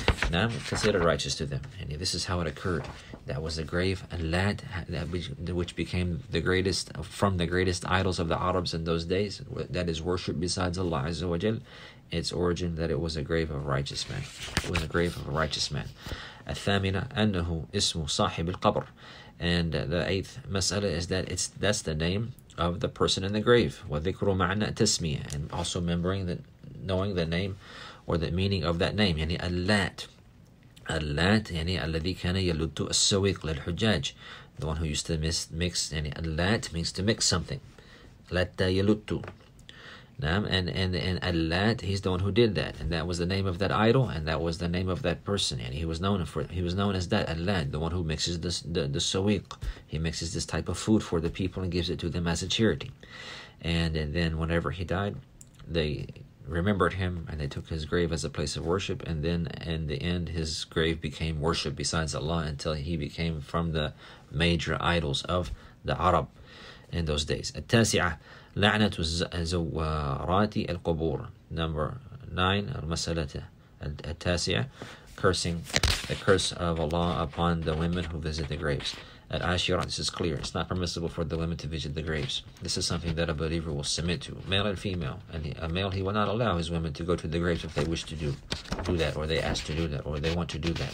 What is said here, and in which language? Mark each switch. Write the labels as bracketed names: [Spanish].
[English] Now considered righteous to them, and this is how it occurred. That was the grave and land which became the greatest from the greatest idols of the Arabs in those days. That is worshipped besides Allah Azza wa Jal. Its origin that it was a grave of a righteous man. It was a grave of a righteous man. [Arabic] الثامنة أنه اسم صاحب القبر. [English] And the eighth mas'ala is that that's the name of the person in the grave. [Arabic] وذكر معنى تسمية. [English] And also remembering that, knowing the name or the meaning of that name. [Arabic] يعني اللات. اللات يعني الذي كان يلد السويق للحجاج. [English] The one who used to mix. يعني اللات means to mix something. [Arabic] لات يلد. [English] Nam and Allat, he's the one who did that, and that was the name of that idol, and that was the name of that person, and he was known as that Allat, the one who mixes the sawiq. He mixes this type of food for the people and gives it to them as a charity, and then whenever he died, they remembered him and they took his grave as a place of worship, and then in the end, his grave became worship besides Allah until he became from the major idols of the Arab in those days. [Arabic] التاسعة لعنة زوارات القبور. [English] Number 9, [Arabic] المسألة التاسعة, [English] cursing, the curse of Allah upon the women who visit the graves. At Ashura, this is clear. It's not permissible for the women to visit the graves. This is something that a believer will submit to, male and female. And a male, he will not allow his women to go to the graves if they wish to do that, or they ask to do that, or they want to do that.